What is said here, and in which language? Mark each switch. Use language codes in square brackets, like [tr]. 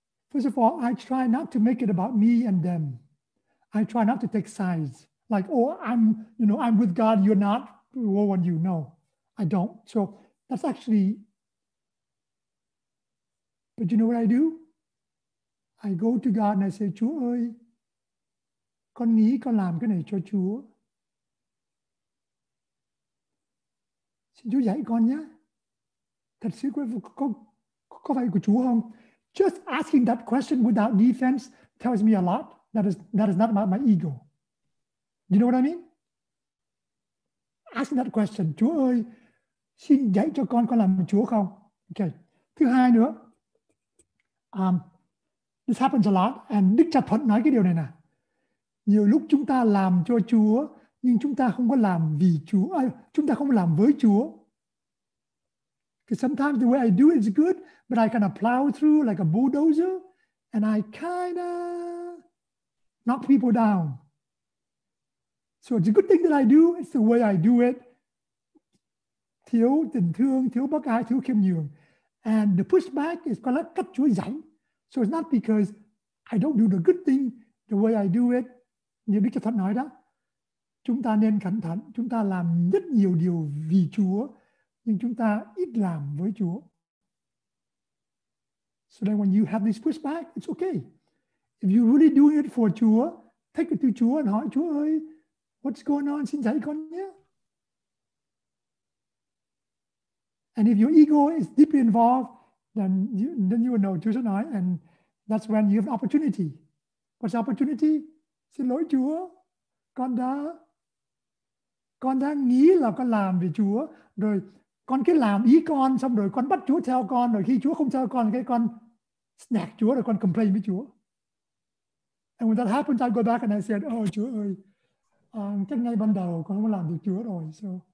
[en] First of all, I try not to make it about me and them. I try not to take sides. like, oh, I'm, you know, I'm with God, you're not, woe on you. No, I don't. So that's actually, but you know what I do? I go to God and I say, [vi] Chúa ơi, con nghĩ con làm cái này cho Chúa. Xin Chúa dạy con nhé. Thật sự có phải của Chúa không? [en] Just asking that question without defense tells me a lot. That is not about my ego. You know what I mean? Asking that question, [vi] Chúa ơi, xin dạy cho con làm Chúa không? Okay. Thứ hai nữa, [en] this happens a lot, [vi] and Đức Cha Thuận nói cái điều này nè. Nhiều lúc chúng ta làm cho Chúa, nhưng chúng ta không có làm vì Chúa, chúng ta không làm với Chúa. [en] Because sometimes the way I do it is good, but I kind of plow through like a bulldozer, and I kind of knock people down. So it's a good thing that I do, it's the way I do it. [vi] Thiếu tình thương, thiếu bác ái, thiếu khiêm nhường. [en] And the pushback is gonna cut Chúa rảnh. So it's not because I don't do the good thing the way I do it. [vi] Như Đức Chúa Thánh nói đó, chúng ta nên cẩn thận, chúng ta làm rất nhiều điều vì Chúa, nhưng chúng ta ít làm với Chúa. [en] So then when you have this pushback, it's okay. If you're really doing it for Chúa, take it to Chúa and hỏi, Chúa ơi, what's going on? [vi] Xin dạy con nhé. [en] And if your ego is deeply involved, then you will know, [vi] Chúa sẽ nói, [en] and that's when you have an opportunity. What's the opportunity? [vi] Xin lỗi Chúa, con đã nghĩ là con làm vì Chúa, rồi con cứ làm ý con, xong rồi con bắt Chúa theo con, rồi khi Chúa không theo con, cái con snack Chúa, rồi con complain với Chúa. [en] And when that happens, I go back and I said, oh, [vi] Chúa ơi, chắc ngay ban đầu con không làm được Chúa rồi. So.